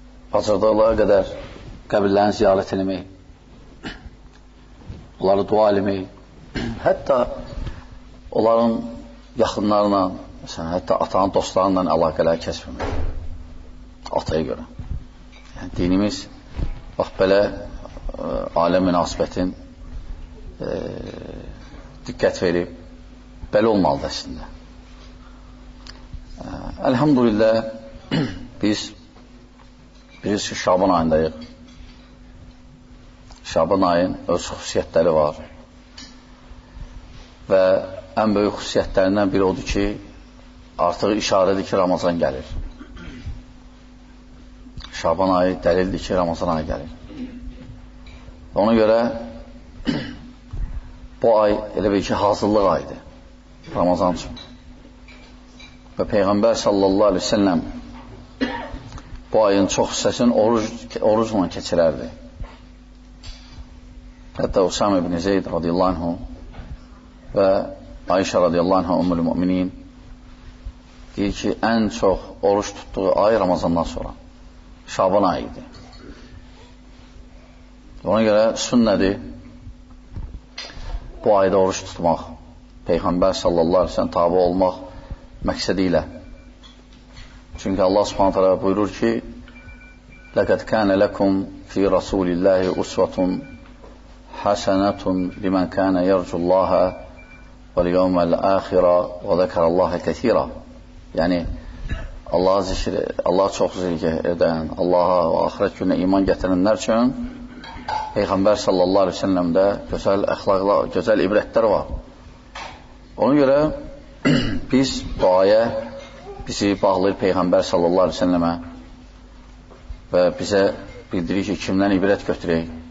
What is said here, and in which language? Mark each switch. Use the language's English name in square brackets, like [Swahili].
[Azerbaijani] Bacardığına qədər qəbirlərini ziyarət eləmək, onlara dua eləmək, hətta onların yaxınlarla, məsələn, hətta atanın dostlarından əlaqələr kəsməmək. Ataya görə. Yəni, dinimiz, bax belə, aləm münasibətin diqqət verib, belə olmalıdır əslində. Elhamdülillah, biz bilirsiniz ki, Şaban ayındayıq. Şaban ayın öz xüsusiyyətləri var. Və ən böyük xüsusiyyətlərindən biri odur ki, artıq işarədir ki, Ramazan gəlir. Şaban ayı dəlildir ki, Ramazan ayı gəlir. Ona görə bu ay elə bir ki, hazırlıq aydır Ramazan üçün. Və Peyğəmbər sallallahu aleyhi ve sellem bu ayın çox hissəsini orucla keçirərdi. Hətta Usam ibn-i Zeyd radiyallahu anhu və Ayşə radiyallahu anhu ümmül müminin deyir ki, ən çox oruç tutduğu ay Ramazandan sonra Şaban ayı idi. Ona görə sünnədir bu ayda oruç tutmaq, Peyğəmbər sallallahu aleyhi ve sellem tabi olmaq məqsədi ilə. Çünki Allah subhanahu taala buyurur ki, [Arabic] لَقَدْ كَانَ لَكُمْ فِي رَسُولِ اللَّهِ أُسْوَةٌ حَسَنَةٌ لِمَنْ كَانَ يَرْجُ اللَّهَ وَالْيَوْمَ الْآخِرَ وَذَكَرَ اللَّهَ كَثِيرًا. [Azerbaijani] Yəni, Allah'a zikr, Allah çox zikr edən, Allah'a və ahirət gününə iman gətirənlər üçün Peyğəmbər sallallahu aleyhi ve sellemdə gözəl əxlaqla, gözəl ibrətlər var. Ona görə biz duaya bizi bağlayır Peyğəmbər sallallahu aleyhi ve sellemə və bizə bildirir ki, kimdən ibrət götürək.